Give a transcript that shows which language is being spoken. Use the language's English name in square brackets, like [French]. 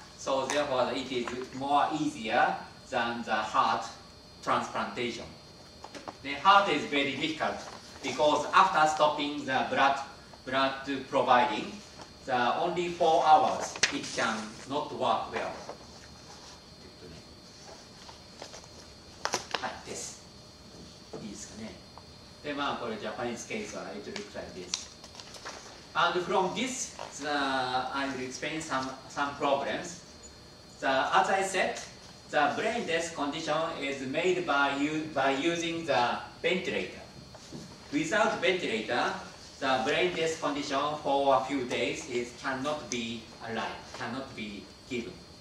[English] So therefore, it is more easier than the heart transplantation. The heart is very difficult. Because after stopping the blood providing, the only 4 hours it can not work well. [Japanese] はい、です。いいですかね。で、まあ、これ、 [English] Japanese case は、it looks like this. And from this, I will explain some problems. As I said, the brain death condition is made by using the ventilator. Without ventilator, the brain death condition for a few days cannot be alive, cannot be given.